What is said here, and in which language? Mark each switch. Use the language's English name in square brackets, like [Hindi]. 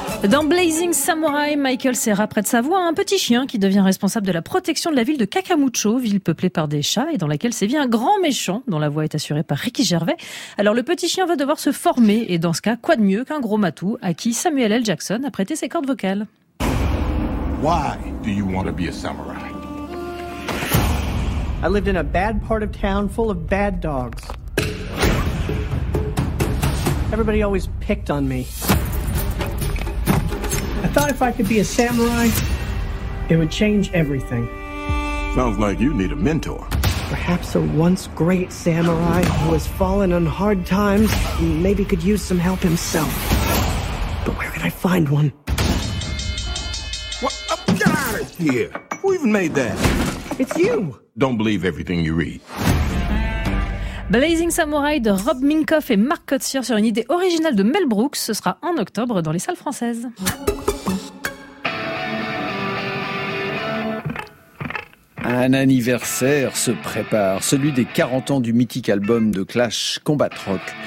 [French] Dans Blazing Samurai, Michael Cera prête sa voix à un petit chien qui devient responsable de la protection de la ville de Kakamucho, ville peuplée par des chats et dans laquelle sévit un grand méchant dont la voix est assurée par Ricky Gervais. Alors le petit chien va devoir se former et dans ce cas, quoi de mieux qu'un gros matou à qui Samuel L. Jackson a prêté ses cordes vocales. [English] Why do you want to be a samurai? I lived in a bad part of town full of bad dogs. Everybody always picked on me. I thought if I could be a samurai, it would change everything. Sounds like you need a mentor. Perhaps a once great samurai who has fallen on hard times and maybe could use some help himself. But where could I find one? What? Oh, get out of here! Who even made that? It's you! Don't believe everything you read. [French] Blazing Samurai de Rob Minkoff et Mark Kotsur sur une idée originale de Mel Brooks. Ce sera en octobre dans les salles françaises. Un anniversaire se prépare, celui des 40 ans du mythique album de Clash, Combat Rock.